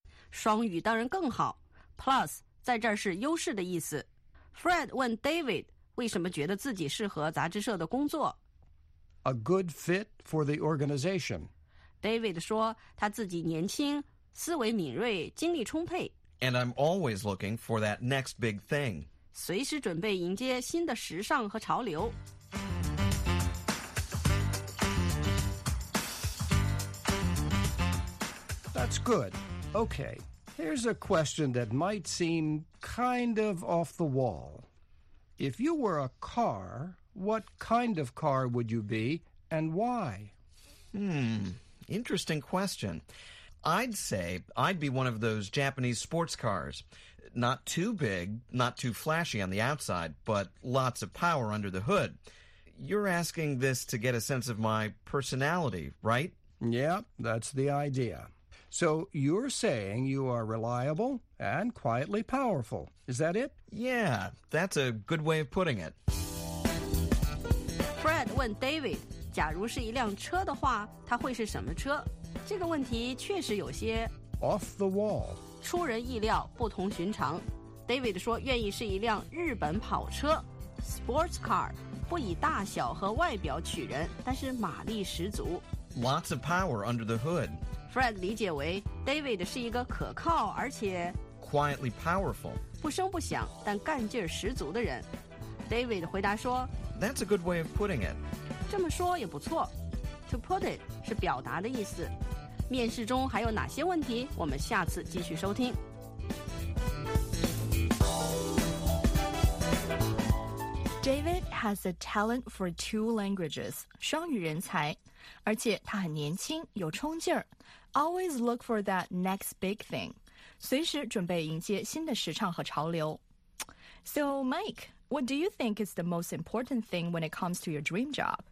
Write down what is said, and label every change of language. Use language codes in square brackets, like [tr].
[zh] 双语当然更好 Plus 在这儿是优势的意思 Fred 问 David 为什么觉得自己适合杂志社的工作 [en] A good fit for the organization. [zh] David 说他自己年轻，思维敏锐，精力充沛。 [en] And I'm always looking for that next big thing. [zh] 随时准备迎接新的时尚和潮流。 [en] That's good. Okay, here's a question that might seem kind of off the wall. If you were a car, what kind of car would you be and why? Interesting question. I'd say I'd be one of those Japanese sports cars. Not too big, not too flashy on the outside, but lots of power under the hood. You're asking this to get a sense of my personality, right? Yeah, that's the idea. So you're saying you are reliable and quietly powerful. Is that it? Yeah, that's a good way of putting it. [zh] Fred 问 David. 假如是一辆车的话，它会是什么车？这个问题确实有些 [en] off the wall， [zh] 出人意料，不同寻常。David 说愿意是一辆日本跑车 ，sports car， 不以大小和外表取人，但是马力十足。 [en] Lots of power under the hood。 [zh] Fred 理解为 David 是一个可靠而且 [en] quietly powerful， [zh] 不声不响但干劲十足的人。 David 回答说 [en] ，That's a good way of putting it。 [zh] 这么说也不错 [en] To put it [zh] 是表达的意思面试中还有哪些问题我们下次继续收听 [en] David has a talent for two languages [zh] 双语人才而且他很年轻有冲劲 [en] Always look for that next big thing [zh] 随时准备迎接新的时尚和潮流 [en] So Mike, what do you think is the most important thing when it comes to your dream job?